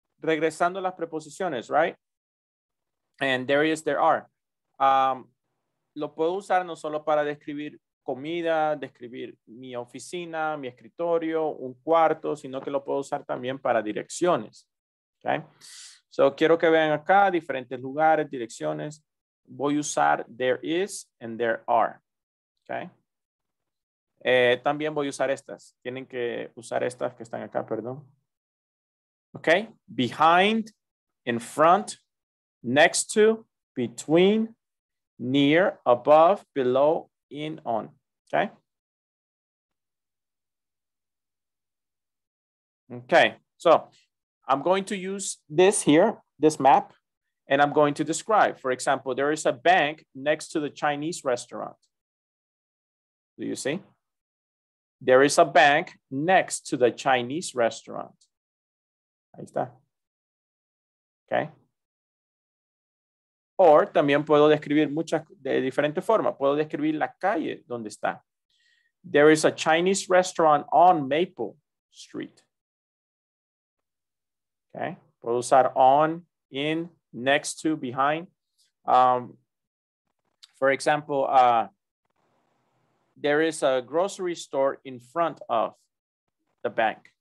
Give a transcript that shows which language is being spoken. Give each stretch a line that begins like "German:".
Spanish: Regresando a las preposiciones,
English: right? And there is, there are.
Spanish: Lo puedo usar no solo para describir comida, describir mi oficina, mi escritorio, un cuarto, sino que lo puedo usar también para direcciones. Okay. So quiero que vean acá diferentes lugares, direcciones. Voy a usar
English: there is and there are.
Spanish: Okay. También voy a usar estas. Tienen que usar estas que están acá, perdón.
English: Okay. Behind, in front, next to, between, near, above, below, in, on. Okay. Okay. So I'm going to use this here, this map, and I'm going to describe. For example, there is a bank next to the Chinese restaurant. Do you see? There is a bank next to the Chinese restaurant.
Spanish: Ahí está. Okay.
English: Or
Spanish: también puedo describir muchas de diferentes formas. Puedo describir la calle donde está.
English: There is a Chinese restaurant on Maple Street.
Spanish: Okay. Puedo usar on, in, next to, behind.
English: For example, there is a grocery store in front of the bank.